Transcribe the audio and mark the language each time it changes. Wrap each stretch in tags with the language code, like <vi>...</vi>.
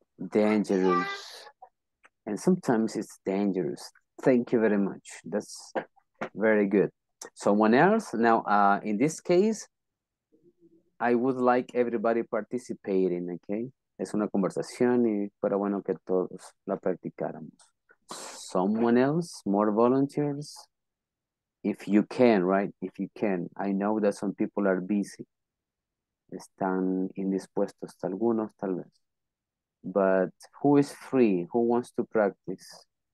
<en>Dangerous. And sometimes it's dangerous. Thank you very much. That's very good. Someone else? Now, in this case, I would like everybody participating, okay?</en> <es>es una conversación y fuera bueno que todos la practicáramos.</es> <en>Someone else, more volunteers, if you can, right? If you can. I know that some people are busy.</en> <es>Están indispuestos, algunos tal vez.</es> <en>But who is free? Who wants to practice?</en>